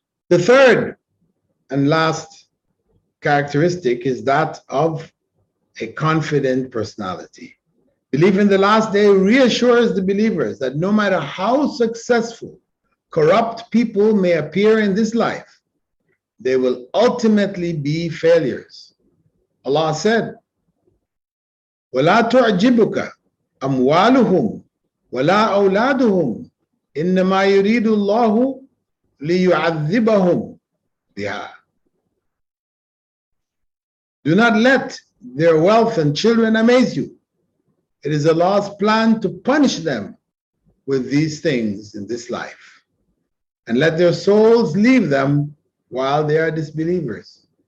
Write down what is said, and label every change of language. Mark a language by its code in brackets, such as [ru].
[en] The third and last characteristic is that of a confident personality. Belief in the last day reassures the believers that no matter how successful corrupt people may appear in this life, they will ultimately be failures. Allah said, [ar] وَلَا تُعْجِبُكَ أَمْوَالُهُمْ وَلَا أَوْلَادُهُمْ إِنَّمَا يُرِيدُ اللَّهُ لِيُعَذِّبَهُمْ بِهَا. [en] Do not let their wealth and children amaze you. It is Allah's plan to punish them with these things in this life, and let their souls leave them while they are disbelievers.